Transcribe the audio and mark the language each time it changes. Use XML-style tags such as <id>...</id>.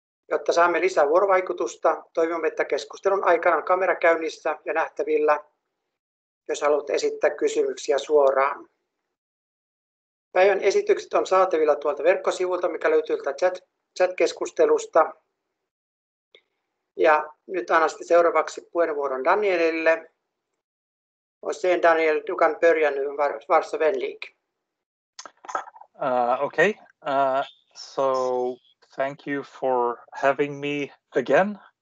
<fi>Jotta saamme lisää vuorovaikutusta, toivomme, että keskustelun aikana on kamera käynnissä ja nähtävillä, jos haluat esittää kysymyksiä suoraan. Päivän esitykset on saatavilla tuolta verkkosivulta, mikä löytyy tältä chat-keskustelusta. Ja nyt annan seuraavaksi puheenvuoron Danielille.</fi> <sv>Och sen Daniel, du kan börja nu, var så vänlig.</sv> <en>Okay, so thank you for having me again.</en>